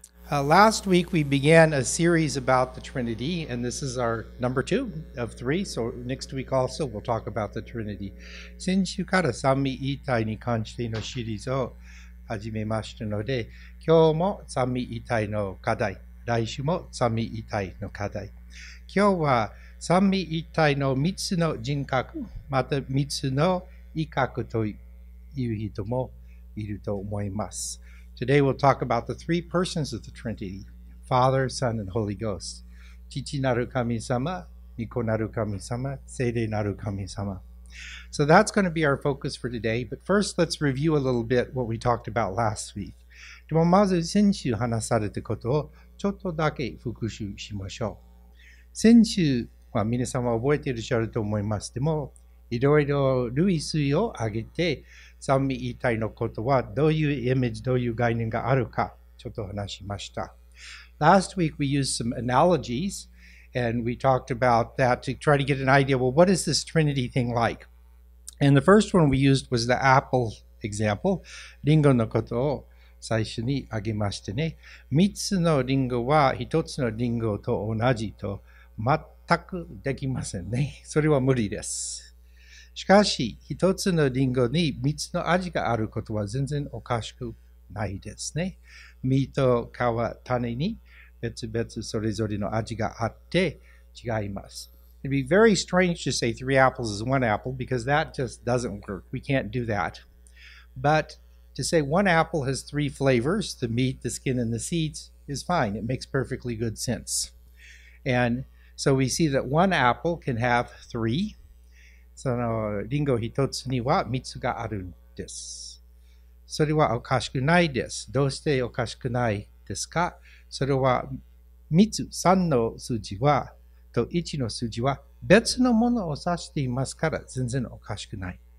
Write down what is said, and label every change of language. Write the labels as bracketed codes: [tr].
[en] Last week we began a series about the Trinity, and this is our number two of three, so next week also we'll talk about the Trinity. [ja] 先週から三位一体に関してのシリーズを始めましたので、今日も三位一体の課題、来週も三位一体の課題。今日は三位一体の三つの人格、また三つの異格という人もいると思います。 [en] Today we'll talk about the three persons of the Trinity, Father, Son, and Holy Ghost. [ja] 父なる神様、御子なる神様、聖霊なる神様。 [en] So that's going to be our focus for today, but first let's review a little bit what we talked about last week. [ja] でもまず先週話されたことをちょっとだけ復習しましょう。先週は皆様覚えてらっしゃると思います。でも、いろいろ類推を挙げて、三位一体のことはどういうイメージ、どういう概念があるかちょっと話しました。 [en] Last week we used some analogies and we talked about that to try to get an idea, well, what is this Trinity thing like? And the first one we used was the apple example. [ja] リンゴのことを最初に挙げましてね。三つのリンゴは一つのリンゴと同じと全くできませんね。それは無理です。しかし、一つのリンゴに三つの味があることは全然おかしくないですね。実と皮、種に別々それぞれの味があって違います。 [en] It'd be very strange to say three apples is one apple because that just doesn't work. We can't do that. But to say one apple has three flavors, the meat, the skin, and the seeds, is fine. It makes perfectly good sense. And so we see that one apple can have three. [ja] そのリンゴ一つには三つがあるんです。それはおかしくないです。どうしておかしくないですか？それは三つ、三の数字はと一の数字は別のものを指していますから全然おかしくない。